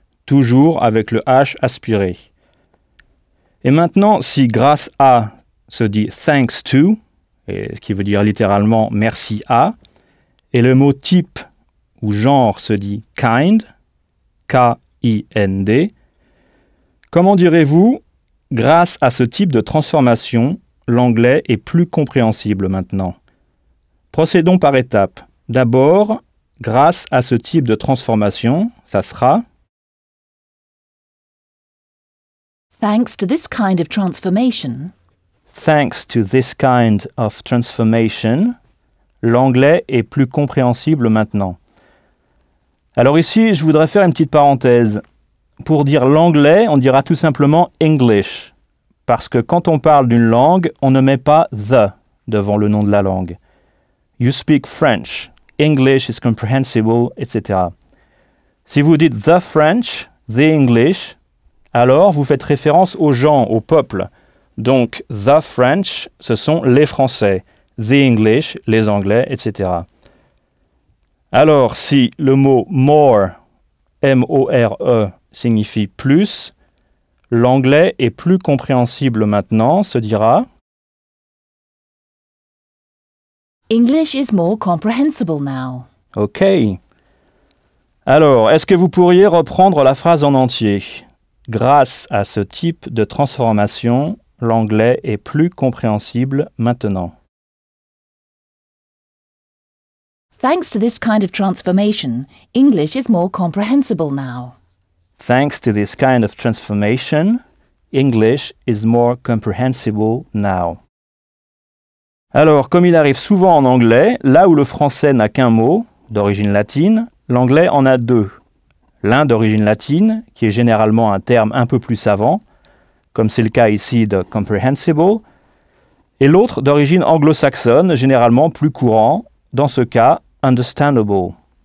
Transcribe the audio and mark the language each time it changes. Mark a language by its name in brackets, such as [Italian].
[French] Toujours avec le H aspiré. Et maintenant, si grâce à se dit thanks to, et qui veut dire littéralement merci à, et le mot type ou genre se dit kind, K-I-N-D, comment direz-vous, grâce à ce type de transformation, l'anglais est plus compréhensible maintenant? Procédons par étapes. D'abord, grâce à ce type de transformation, ça sera... [English] Thanks to this kind of transformation. Thanks to this kind of transformation. [French] L'anglais est plus compréhensible maintenant. Alors ici, je voudrais faire une petite parenthèse. Pour dire l'anglais, on dira tout simplement English. Parce que quand on parle d'une langue, on ne met pas the devant le nom de la langue. [English] You speak French. English is comprehensible, etc. [French] Si vous dites the French, the English, alors vous faites référence aux gens, au peuple. Donc, the French, ce sont les Français. The English, les Anglais, etc. Alors, si le mot more, M-O-R-E, signifie plus, l'anglais est plus compréhensible maintenant, se dira... [English] English is more comprehensible now. OK. [French] Alors, est-ce que vous pourriez reprendre la phrase en entier? Grâce à ce type de transformation, l'anglais est plus compréhensible maintenant. [English] Thanks to this kind of transformation, English is more comprehensible now. Thanks to this kind of transformation, English is more comprehensible now. [French] Alors, comme il arrive souvent en anglais, là où le français n'a qu'un mot, d'origine latine, l'anglais en a deux. L'un d'origine latine, qui est généralement un terme un peu plus savant, comme c'est le cas ici de comprehensible, et l'autre d'origine anglo-saxonne, généralement plus courant, dans ce cas, understandable.